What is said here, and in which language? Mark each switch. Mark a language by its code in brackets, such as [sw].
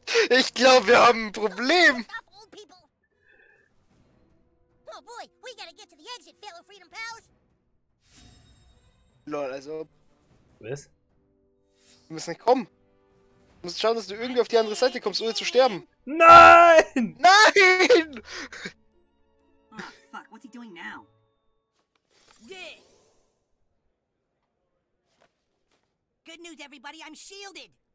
[de] Ich glaube, wir haben ein Problem! [en] Oh boy, we gotta get to the exit, fellow Freedom Pals! [de] Lol, also. Was? Du musst nicht kommen. Du musst schauen, dass du irgendwie auf die andere Seite kommst, ohne zu sterben. Nein! Nein! [en] Oh fuck, what's he doing now? Yeah. Good news, everybody, I'm shielded!